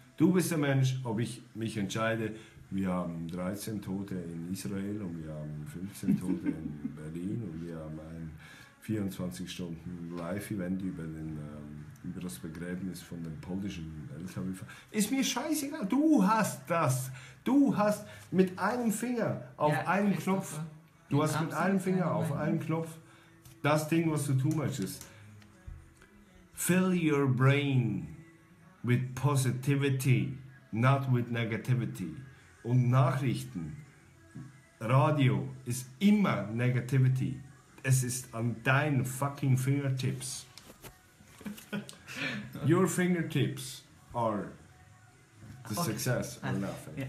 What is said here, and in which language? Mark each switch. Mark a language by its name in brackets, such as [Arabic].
[German] Du bist der Mensch, ob ich mich entscheide, wir haben 13 Tote in Israel und wir haben 15 Tote in Berlin und wir haben ein 24-Stunden-Live-Event über das Begräbnis von dem polnischen LKW-Fahrer. Ist mir scheißegal, du hast das. Du hast mit einem Finger auf einen Knopf... Du hast mit einem Finger auf einem Knopf das Ding, was du tun möchtest. [English] Fill your brain with positivity, not with negativity. [German] Und Nachrichten, Radio ist immer Negativity. Es ist an deinen [English] fucking Fingertips. Your fingertips are the success or nothing.